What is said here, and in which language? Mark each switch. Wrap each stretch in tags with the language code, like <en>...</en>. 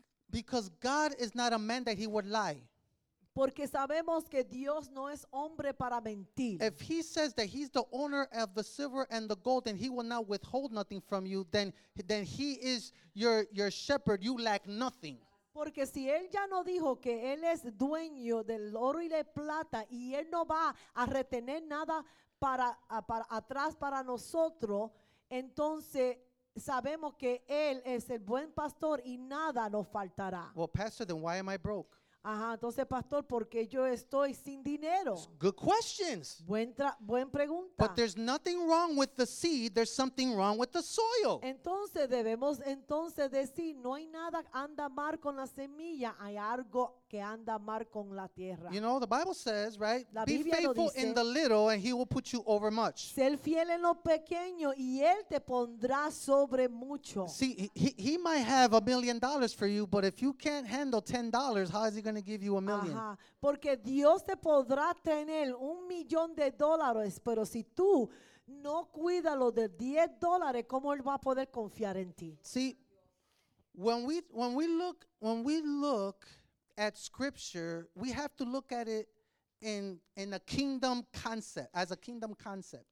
<en>Because God is not a man that he would lie.</en> <es>Porque sabemos que Dios no es hombre para mentir.</es> <en>If he says that he's the owner of the silver and the gold and he will not withhold nothing from you, then he is your shepherd. You lack nothing.</en> <es>Porque si él ya no dijo que él es dueño del oro y de plata y él no va a retener nada para atrás para nosotros, entonces sabemos que él es el buen pastor y nada nos faltará.</es> <en>Well, pastor, then why am I broke?</en> <es>Entonces, pastor, ¿por qué yo estoy sin dinero?</es> <en>Good questions.</en> <es>Buen pregunta.</es> <en>But there's nothing wrong with the seed. There's something wrong with the soil.</en> <es>Entonces, debemos entonces decir, no hay nada anda mal con la semilla. Hay algo que anda mal con la tierra.</es> <en>You know, the Bible says, right?</en> <es>La Biblia</es> <en>be faithful</en> <es>lo dice,</es> <en>in the little and he will put you over much.</en> <es>Ser fiel en lo pequeño y él te pondrá sobre mucho.</es> <en>See, he might have $1 million for you, but if you can't handle $10, how is he going to give you $1 million?</en> <es>Porque Dios te podrá tener $1,000,000, pero si tú no cuidas lo de $10, ¿cómo él va a poder confiar en ti?</es> <en>See, when we look at scripture, we have to look at it in a kingdom concept, as a kingdom concept.</en>